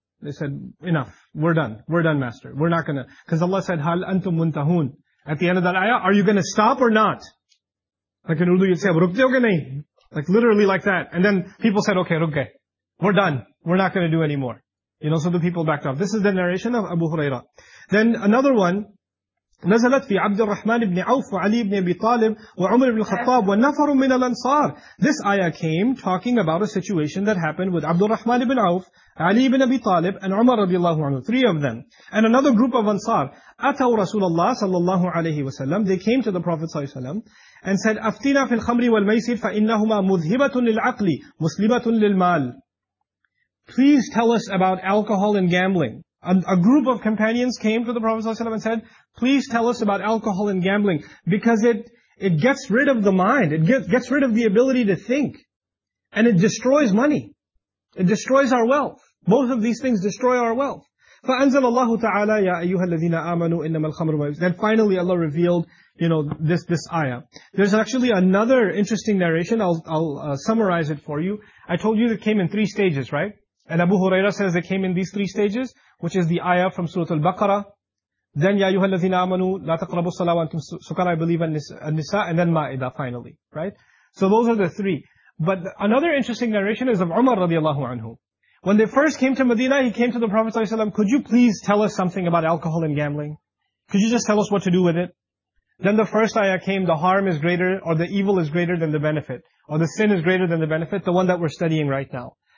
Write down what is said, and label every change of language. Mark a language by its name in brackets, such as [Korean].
[English] They said, enough. We're done. We're done, Master. We're not gonna. Because Allah said, [Arabic] هَلْ أَنْتُمْ مُنْتَهُونَ. [English] At the end of that ayah, are you gonna stop or not? Like in Urdu, you'd say, [Urdu] رُكْتِ وَقَنَيْ. [English] Like literally like that. And then people said, okay, رُكْتِ. We're done. We're not gonna do anymore. You know, so the people backed off. This is the narration of Abu Huraira. [Arabic] Then another one, نزلت في عبد الرحمن بن عوف وعلي بن أبي طالب وعمر بن الخطاب ونفر من الأنصار. [English] This ayah came talking about a situation that happened with عبد الرحمن بن عوف, علي بن أبي طالب, and عمر رضي الله عنه. Three of them. And another group of Ansar. [Arabic] أتوا رسول الله صلى الله عليه وسلم. [English] They came to the Prophet [Arabic] صلى الله عليه وسلم and said, أفتنا في الخمر والميسر فإنهما مذهبة للعقل مسلمة للمال. [English] Please tell us about alcohol and gambling. A group of companions came to the Prophet ﷺ and said, please tell us about alcohol and gambling, because it gets rid of the mind, it gets rid of the ability to think, and it destroys money. It destroys our wealth. Both of these things destroy our wealth. [Arabic] فَأَنزَلَ اللَّهُ تَعَالَى يَا أَيُّهَا الَّذِينَ آمَنُوا إِنَّمَا الْخَمْرُ وَالْمَيْسِرُ. [English] Then finally Allah revealed, you know, this ayah. There's actually another interesting narration. I'll summarize it for you. I told you it came in three stages, right? And Abu Huraira says it came in these three stages, which is the ayah from Surah Al-Baqarah. [Arabic] Then, يَا أَيُّهَا الَّذِينَ آمَنُوا لَا تَقْرَبُوا الصَّلَاةَ وَأَنْتُمْ سُكَارَى, [English] I believe, [Arabic] النساء, [English] and then Ma'idah, finally. Right? So those are the three. But another interesting narration is of Umar radiallahu anhu. When they first came to Medina, he came to the Prophet sallallahu alayhi wa sallam, could you please tell us something about alcohol and gambling? Could you just tell us what to do with it? Then the first ayah came, the harm is greater, or the evil is greater than the benefit, or the sin is greater than the benefit, the one that we're studying right now.